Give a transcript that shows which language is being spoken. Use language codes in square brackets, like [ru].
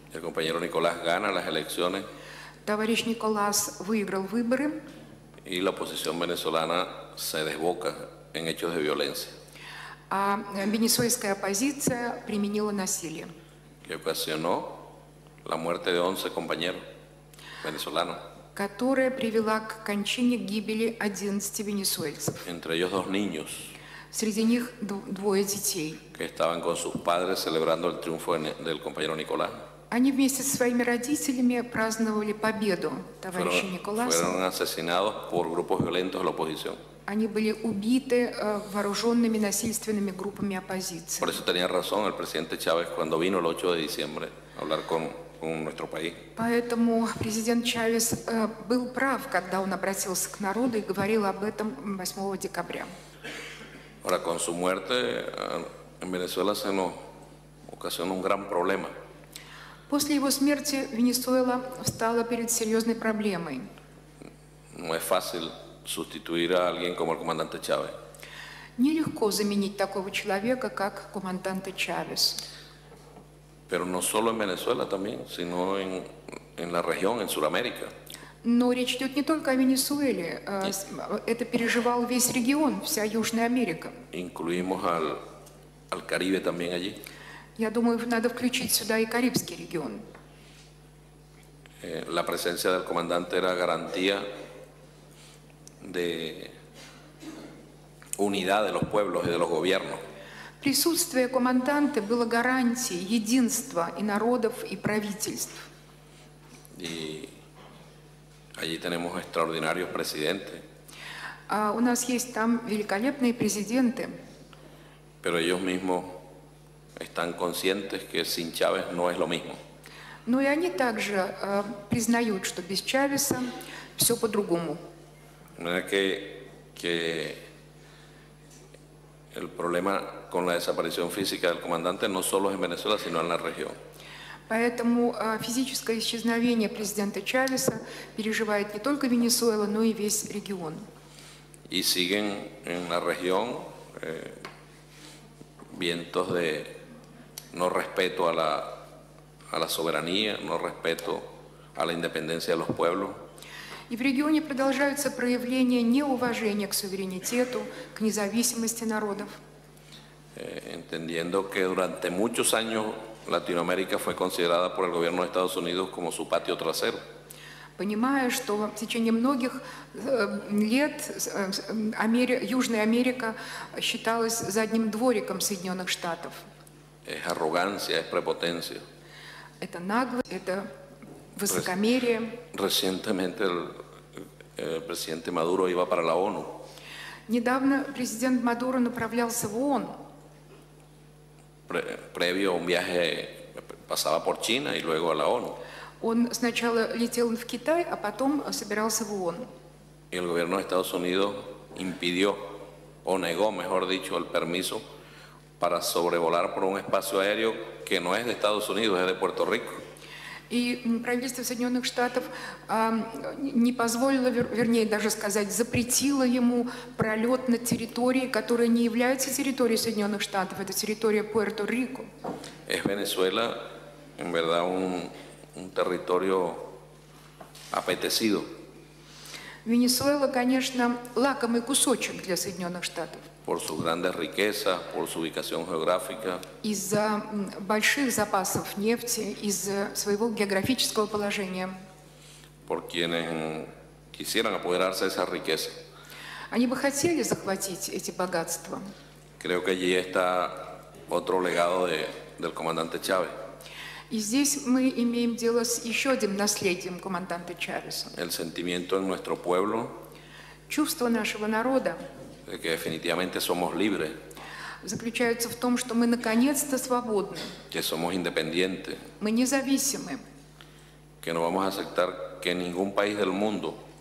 [es] El compañero Nicolás gana las elecciones. [ru] Товарищ Николас выиграл выборы. [es] Y la oposición venezolana se desboca en hechos de violencia. [ru] А венесуэльская оппозиция применила насилие. [es] Que ocasionó la muerte de 11 compañeros venezolanos. [ru] Которая привела к кончине, к гибели 11 венесуэльцев. [es] Entre ellos dos niños. [ru] среди них двое детей. [es] Que estaban con sus padres celebrando el triunfo del compañero Nicolás. [ru] Они вместе со своими родителями праздновали победу товарища Николаса. [es] Fueron asesinados por grupos violentos de la oposición. [ru] Они были убиты вооруженными насильственными группами оппозиции. [es] Por eso tenía razón el presidente Chávez cuando vino el 8 de diciembre a hablar con nuestro país. [ru] Поэтому президент Чавес был прав, когда он обратился к народу и говорил об этом 8 декабря. [es] Ahora con su muerte en Venezuela se nos ocasionó un gran problema. [ru] После его смерти Венесуэла встала перед серьезной проблемой. [es] No es fácil sustituir a alguien como el comandante Chávez. [ru] Нелегко заменить такого человека, как comandante Chávez. [es] Pero no solo en Venezuela también, sino en la región, en Sudamérica. [ru] Но речь идет не только о Венесуэле. Это переживал весь регион, вся Южная Америка. [es] Incluimos al Caribe también allí. [ru] Я думаю, надо включить сюда и Карибский регион. [es] La presencia del comandante era garantía de unidad de los pueblos y de los gobiernos. [ru] Присутствие comandante было гарантией единства и народов, и правительств. [es] Y allí tenemos extraordinarios presidentes. [ru] У нас есть там великолепные президенты. [es] Pero ellos mismos están conscientes que sin Chávez no es lo mismo. [ru] Но и они также признают, что без Чавеса все по-другому. [es] Que el problema con la desaparición física del comandante no solo es en Venezuela, sino en la región. [ru] Поэтому физическое исчезновение президента Чавеса переживает не только Венесуэла, но и весь регион. [es] Y siguen en la región vientos de no respeto a la soberanía, no respeto a la independencia de los pueblos. [ru] И в регионе продолжаются проявления неуважения к суверенитету, к независимости народов. [es] Entendiendo que durante muchos años Latinoamérica fue considerada por el gobierno de Estados Unidos como su patio trasero. [ru] Понимая, что в течение многих лет Южная Америка считалась задним двориком Соединенных Штатов. [es] Es arrogancia, es prepotencia. [ru] Это наглость, это высокомерие. [es] Recientemente el presidente Maduro iba para la ONU. [ru] Недавно президент Мадуро направлялся в ООН. [es] Previo un viaje pasaba por China y luego a la ONU. [ru] Он сначала летел в Китай, а потом собирался в ООН. [es] Y el gobierno de Estados Unidos impidió, o negó, mejor dicho, el permiso para sobrevolar por un espacio aéreo que no es de Estados Unidos, es de Puerto Rico. [ru] И правительство Соединенных Штатов не позволило, вернее, даже сказать, запретило ему пролет на территории, которая не является территорией Соединенных Штатов, это территория Пуэрто-Рико. [es] Es Venezuela, en verdad, un territorio apetecido. [ru] Венесуэла, конечно, лакомый кусочек для Соединенных Штатов. [es] Por sus grandes riquezas, por su ubicación geográfica. [ru] Из-за больших запасов нефти, из-за своего географического положения. [es] Por quienes quisieran apoderarse de esa riqueza. [ru] Они бы хотели захватить эти богатства. [es] Creo que allí está otro legado del comandante Chávez. [ru] И здесь мы имеем дело с еще одним наследием comandante Chávez. [es] El sentimiento en nuestro pueblo. [ru] Чувство нашего народа. [es] De que definitivamente somos libres. [ru] Заключается в том, что мы наконец-то свободны. [es] Que somos independientes. [ru] Мы независимы. [es] Que no vamos a aceptar que ningún país del mundo.